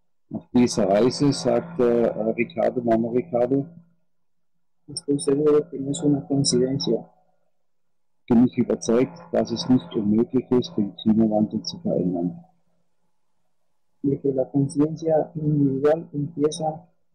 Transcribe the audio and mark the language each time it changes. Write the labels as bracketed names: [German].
[German] Auf dieser Reise, sagte Ricardo, Mama Ricardo. [Spanish] Estoy seguro que no es una coincidencia. [German] Bin ich überzeugt, dass es nicht unmöglich ist, den Klimawandel zu verändern. [Spanish] De que la conciencia individual empieza.